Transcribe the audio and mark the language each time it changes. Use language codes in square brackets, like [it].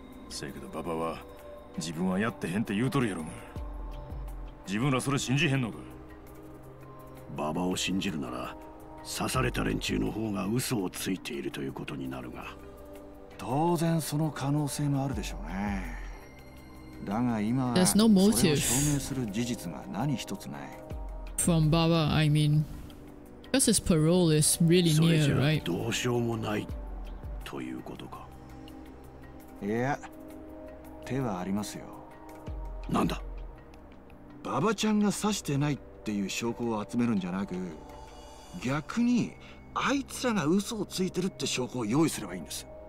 [ja] せやけどババは自分はやってへんって言うとるやろが。自分らそれ信じへんのか。ババを信じるなら刺された連中の方が嘘をついているということになるが。当然その可能性もあるでしょうね。だが今は、 [en] There's no motive. [ja] それを証明する事実が何一つない。 [en] From Baba, I mean, because his parole is really near, right? [ja] それじゃどうしようもないということか。いや、手はありますよ。なんだ？ババちゃんが刺してないっていう証拠を集めるんじゃなく、逆にあいつらが嘘をついてるって証拠を用意すればいいんです。